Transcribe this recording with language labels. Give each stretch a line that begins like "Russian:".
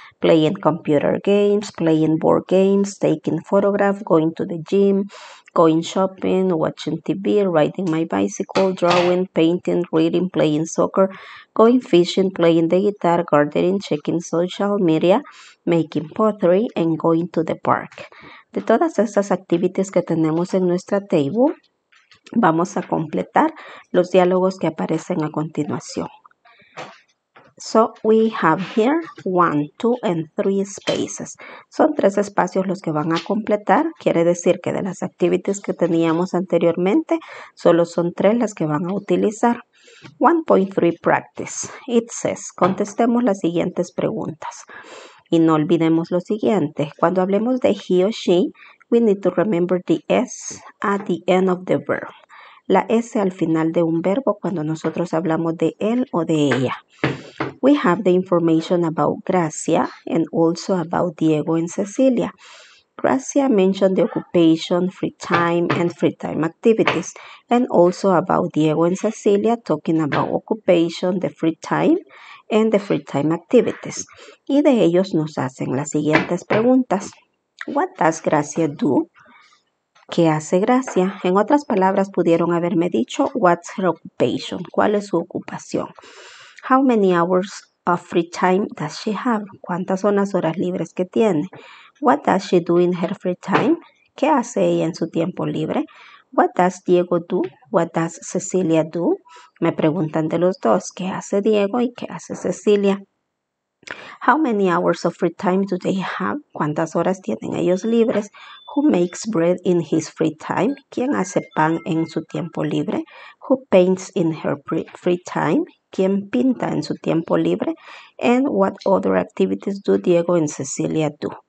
English: Playing computer games, playing board games, taking photographs, going to the gym, going shopping, watching TV, riding my bicycle, drawing, painting, reading, playing soccer, going fishing, playing the guitar, gardening, checking social media, making pottery, and going to the park.
Spanish: De todas estas activities que tenemos en nuestra table, vamos a completar los diálogos que aparecen a continuación.
English: So, we have here 1, 2, and 3 spaces.
Spanish: Son 3 espacios los que van a completar. Quiere decir que de las activities que teníamos anteriormente, solo son 3 las que van a utilizar.
English: 1.3 practice. It says,
Spanish: contestemos las siguientes preguntas. Y no olvidemos lo siguiente. Cuando hablemos de
English: he o she, we need to remember the S at the end of the verb.
Spanish: La S al final de un verbo cuando nosotros hablamos de él o de ella.
English: We have the information about Gracia and also about Diego and Cecilia. Gracia mentioned the occupation, free time, and free time activities. And also about Diego and Cecilia, talking about occupation, the free time, and the free time activities.
Spanish: Y de ellos nos hacen las siguientes preguntas.
English: What does Gracia do?
Spanish: ¿Qué hace Gracia? En otras palabras, pudieron haberme dicho,
English: what's her occupation?
Spanish: ¿Cuál es su ocupación? How many hours of free time does she have? ¿Cuántas son las horas libres que tiene?
English: What does she do in her free time?
Spanish: ¿Qué hace ella en su tiempo libre?
English: What does Diego do? What does Cecilia do?
Spanish: Me preguntan de los dos, ¿qué hace Diego y qué hace Cecilia?
English: How many hours of free time do they have?
Spanish: ¿Cuántas horas tienen ellos libres?
English: Who makes bread in his free time?
Spanish: ¿Quién hace pan en su tiempo libre?
English: Who paints in her free time?
Spanish: ¿Quién pinta en su tiempo libre?
English: And what other activities do Diego and Cecilia do?